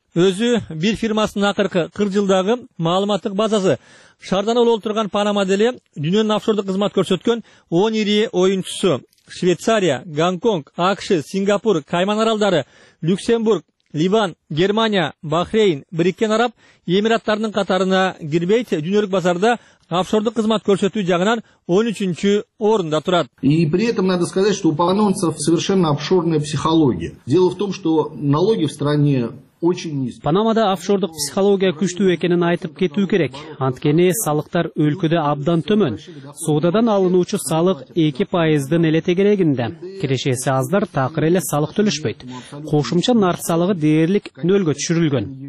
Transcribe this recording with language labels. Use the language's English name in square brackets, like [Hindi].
[Kyrgyz] Өзү бир фирмасынын акыркы 40 жылдагы маалыматтык базасы шаардан болуп турган Панама деле дүйнөнүн офшордук кызмат көрсөткөн 10 ири оюнчусу Швейцария, Гонконг, АКШ, Сингапур, Кайман аралдары, Люксембург, Ливан, Германия, Бахрейн, Бириккен Араб Эмираттарынын катарына кирбейт. Дүйнөлүк базарда офшордук кызмат көрсөтүү жагынан 13-чү орунда турат. [Russian] И при этом надо сказать, что у панамцев совершенно офшорная психология. Дело в том, что налоги в стране [Kyrgyz] Панамада офшордук психология күчтүү экенин айтып кетүү керек. Анткени салыктар өлкөдө абдан төмөн. Соодадан алынуучу салык 2% эле тегерегинде. Кирешеси аздар, такыр эле салык төлөшпөйт. Кошумча нарык салыгы дээрлик нөлгө түшүрүлгөн.